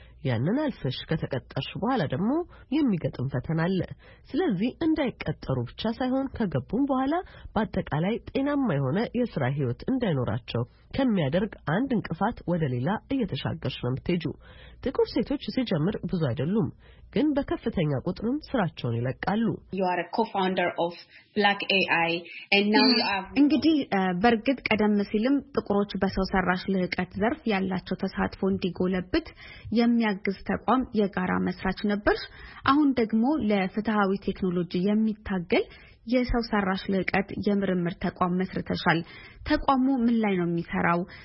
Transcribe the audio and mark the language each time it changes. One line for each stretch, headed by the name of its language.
Amharic: ያንን አልፈሽ ከተቀጠርሽ በኋላ ደግሞ የሚገጥም ፈተና አለ። ስለዚህ እንዳይቀጠሩ ብቻ ሳይሆን ከገቡም በኋላ በአጠቃላይ ጤናማ የሆነ የሥራ ህይወት እንዳይኖራቸው ከሚያደርግ አንድ እንቅፋት ወደ ሌላ እየተሻገርሽ ነው የምትሄጁ። ጥቁር ሴቶች ሲጀምር ብዙ አይደሉም ግን በከፍተኛ ቁጥርም ስራቸውን ይለቃሉ።
English: You are a co-founder of Black AI and now you have
Amharic: እንግዲህ በርግጥ ቀደም ሲልም ጥቁሮች በሰው ሰራሽ ልህቀት ዘርፍ ያላቸው ተሳትፎ እንዲጎለብት የሚያግዝ ተቋም የጋራ መስራች ነበር። አሁን ደግሞ ለፍትሃዊ ቴክኖሎጂ የሚታገል የሰው ሰራሽ ልህቀት የምርምር ተቋም መስርተሻል። ተቋሙ ምን ላይ ነው የሚሰራው?